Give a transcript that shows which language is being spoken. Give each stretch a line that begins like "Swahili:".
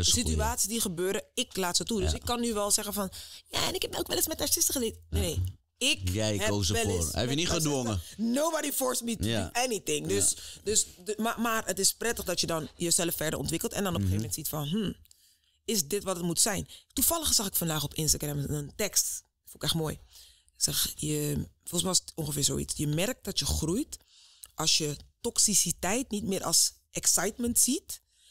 Dutch: de situaties die gebeuren, ik laat ze toe. Ja. Dus ik kan nu wel zeggen van... Ja, en ik heb ook wel eens met haar zuster geleden. Nee. Ja. Ik jij koos ervoor. Heb je niet gedwongen?
English: Nobody forced me to do anything.
Dutch: Maar het is prettig dat je dan jezelf verder ontwikkelt. En dan op een gegeven moment ziet van... is dit wat het moet zijn? Toevallig zag ik vandaag op Instagram een tekst. Vond ik echt mooi. Zeg, volgens mij was het ongeveer zoiets. Je merkt dat je groeit als je toxiciteit niet meer als excitement ziet.